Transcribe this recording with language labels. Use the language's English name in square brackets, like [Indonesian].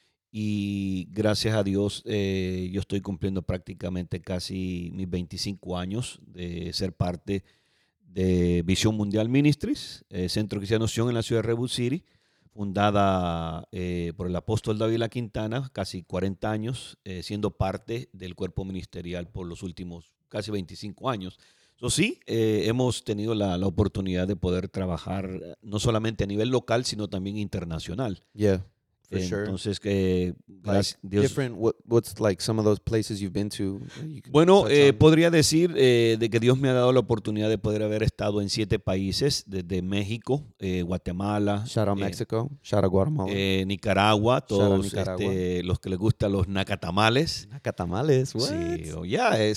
[Spanish] y gracias a Dios yo estoy cumpliendo prácticamente casi mis 25 años de ser parte de Visión Mundial Ministries, Centro Cristiano Sion en la ciudad de Redwood City, fundada por el apóstol David La Quintana, casi 40 años, siendo parte del cuerpo ministerial por los últimos casi 25 años. So, sí, hemos tenido la oportunidad de poder trabajar no solamente a nivel local, sino también internacional. [English] Yeah, for sure. [Spanish] Entonces, Dios. [English] Different, what's like some of those places you've been to? [Spanish] Bueno, podría decir de que Dios me ha dado la oportunidad de poder haber estado en 7 países, desde México, Guatemala. [English] Shout out Mexico, shout out Guatemala. [Spanish] Nicaragua, todos Nicaragua. Los que les gustan los nacatamales. [English] Nacatamales, what? Sí, oh, yeah.